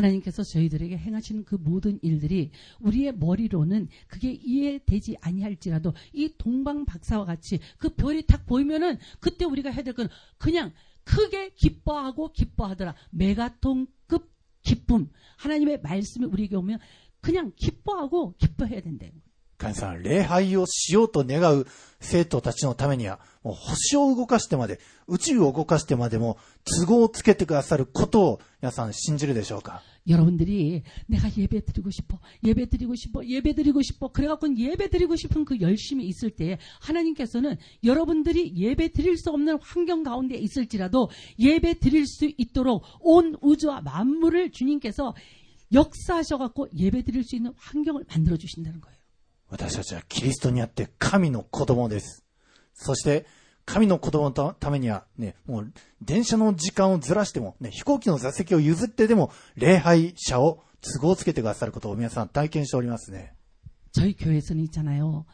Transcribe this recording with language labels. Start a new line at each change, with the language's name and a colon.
Korean: 하나님께서저희들에게행하시는그모든일들이우리의머리로는그게이해되지아니할지라도이동방박사와같이그별이딱보이면은그때우리가해야될건그냥크게기뻐하고기뻐하더라메가톤급기쁨하나님의말씀이우리에게오면그냥기뻐하고기뻐해야된대요
Japanese: 神様、礼拝をしようと願う生徒たちのためには、もう星を動かしてまで、宇宙を動かしてまでも、都合をつけてくださることを皆さん信じるでしょうか。
Korean: 여러분들이 내가 예배드리고 싶어, 예배드리고 싶어, 예배드리고 싶어, 그래갖고 예배드리고 싶은 그 열심이 있을 때 하나님께서는 여러분들이 예배드릴 수 없는 환경 가운데 있을지라도 예배드릴 수 있도록 온 우주와 만물을 주님께서 역사하셔갖고 예배드릴 수 있는 환경을 만들어주신다는 거예요. 우리는 그리스도
Japanese: にあって 神の子供です. そして 神の子供のためにはね、もう電車の時間をずらしても、ね、飛行機の座席を譲ってでも礼拝者を都合つけてくださることを皆さん体験しておりますね。
Korean: 저희교회에서는있잖아요。